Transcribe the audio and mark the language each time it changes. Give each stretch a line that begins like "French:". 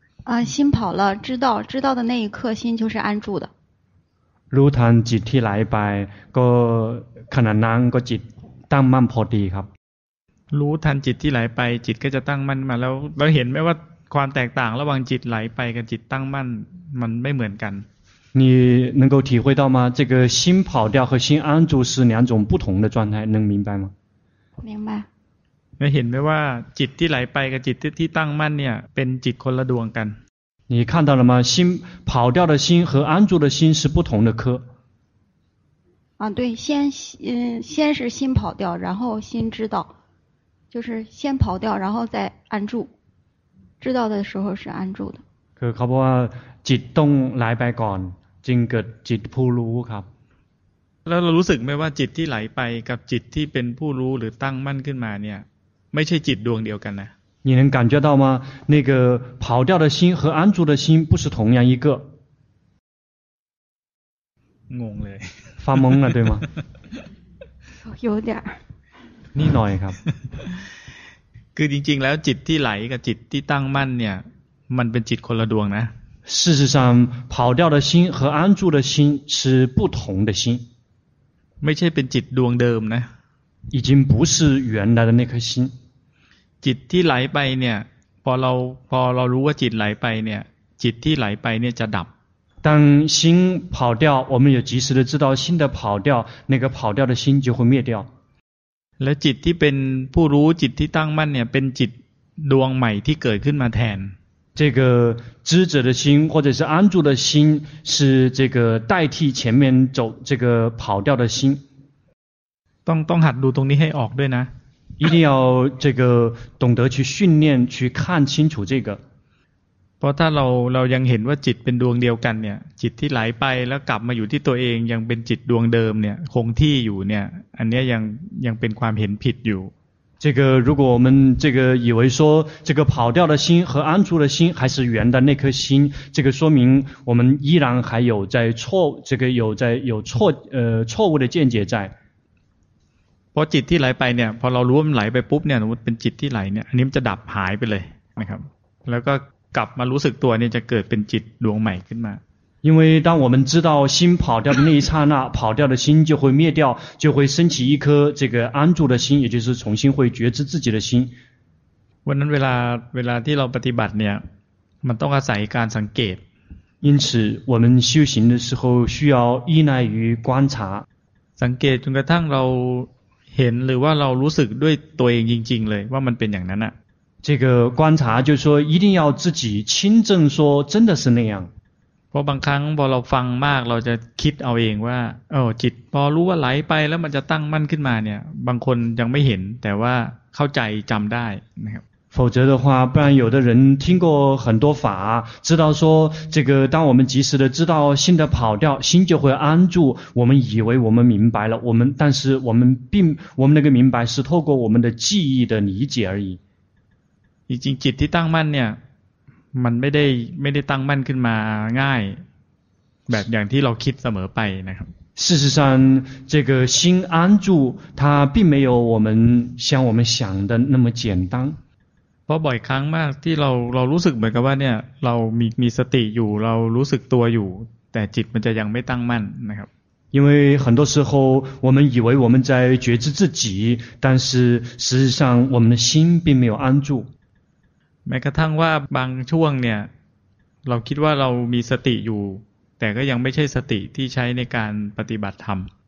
Chinese: 啊，心跑了，知道的那一刻，心就是安住的。如谈
Thai: จิตที่ไหลไปก็ขณะนั้นก็จิตตั้งมั่นพอดีครับ。 รู้ทันจิตที่ไหลไปจิตก็จะตั้งมั่นมาแล้วเราเห็นไหมว่าความแตกต่างระหว่างจิตไหลไปกับจิตตั้งมั่นมันไม่เหมือนกัน。
Chinese: 你能够体会到吗？这个心跑掉和心安住是两种不同的状态，能明白吗？明白。
Thai: เห็นไหมว่าจิตที่ไหลไปกับจิตที่ตั้งมั่นเนี่ยเป็นจิตคนละดวงกัน
Chinese: 你看到了吗心跑掉的心和安住的心是不同的科啊，对，先是心跑掉，然后心知道，就是先跑掉，然后再安住。知道的时候是安住的。
Thai: คือเขาบอกว่าจิตต้องไหลไปก่อนจึงเกิดจิตผู้รู้ครับ แล้วเรารู้สึกไหมว่าจิตที่ไหลไปกับจิตที่เป็นผู้รู้หรือตั้งมั่นขึ้นมาเนี่ยไม่ใช่จิตดวงเดียวกันนะ
Chinese: 你能感觉到吗？那个跑掉的心和安住的心不是同样一个。
Thai: งงเลย
Chinese: 发懵了对吗？有点。
Thai: นิดหน่อยครับ คือจริงๆแล้วจิตที่ไหลกับจิตที่ตั้งมั่นเนี่ยมันเป็นจิตคนละดวงนะ
Chinese: 事实上跑掉的心和安住的心是不同的心
Thai: ไม่ใช่เป็นจิตดวงเดิมนะ
Chinese: 已经不是原来的那颗心
Thai: จิตที่ไหลไปเนี่ยพอเรารู้ว่าจิตไหลไปเนี่ยจิตที่ไหลไปเนี่ยจะดับ
Chinese: 当心跑掉我们也及时的知道心的跑掉那个跑掉的心就会灭掉
Thai: และจิตที่เป็นผู้รู้จิตที่ตั้งมั่นเนี่ยเป็นจิตดวงใหม่ที่เกิดขึ้นมาแทน
Chinese: 这个知者的心或者是安住的心是这个代替前面走这个跑掉的心
Thai: ต้องหัดดูตรงนี้ให้ออกด้วยนะ
Chinese: 一定要这个懂得去训练去看清楚这个
Thai: เพราะถ้าเรายังเห็นว่าจิตเป็นดวงเดียวกันเนี่ยจิตที่ไหลไปแล้วกลับมาอยู่ที่ตัวเองยังเป็นจิตดวงเดิมเนี่ยคงที่อยู่เนี่ยอันนี้ยังเป็นความเห็นผิดอยู่
Chinese: 这个如果我们这个以为说这个跑掉的心和安住的心还是原的那颗心这个说明我们依然还有在错这个有在有错错误的见解在
Thai: พอจิตที่ไหลไปเนี่ยพอเรารู้ว่ามันไหลไปปุ๊บเนี่ยสมมติเป็นจิตที่ไหลเนี่ยอันนี้มันจะดับหายไปเลยนะครับแล้วก็กลับมารู้สึกตัวเนี่ยจะเกิดเป็นจิตดวงใหม่ขึ้นมา
Chinese: 因为当我们知道心跑掉的那一刹那跑掉的心就会灭掉就会升起一颗这个安住的心也就是重新会觉知自己的心
Thai: วันนั้นเวลาที่เราปฏิบัติเนี่ยมันต้องอาศัยการสังเกต
Chinese: 因此我们修行的时候需要依赖于观察
Thai: สังเกตจนกระทั่งเราเห็นหรือว่าเรารู้สึกด้วยตัวเองจริงๆเลยว่ามันเป็นอย่างนั้นน่ะ
Chinese: 这个观察就是说一定要自己亲证说真的是那样
Thai: เพราะบางครั้งพอเราฟังมากเราจะคิดเอาเองว่าเออจิตพอรู้ว่าไหลไปแล้วมันจะตั้งมั่นขึ้นมาเนี่ยบางคนยังไม่เห็นแต่ว่าเข้าใจจำได้นะครับ
Chinese: 否则的话不然有的人听过很多法知道说这个当我们及时的知道心的跑掉心就会安住我们以为我们明白了我们但是我们并我们那个明白是透过我们的记忆的理解而已
Thai: จริงจิตที่ตั้งมั่นเนี่ยมันไม่ได้ตั้งมั่นขึ้นมาง่ายแบบอย่างที่เราคิดเสมอไปนะครับ
Chinese: 事实上这个心安住它并没有我们像我们想的那么简单
Thai: เพราะบ่อยครั้งมากที่เรารู้สึกเหมือนกับว่าเนี่ยเรามีสติอยู่เรารู้สึกตัวอยู่แต่จิตมันจะยังไม่ตั้งมั่นนะครับ
Chinese: 因为很多时候我们以为我们在觉知自己但是实际上我们的心并没有安住
Thai: แม้กระทั่งว่าบางช่วงเนี่ยเราคิดว่าเรามีสติอยู่แต่ก็ยังไม่ใช่สติที่ใช้ในการปฏิบัติธรรม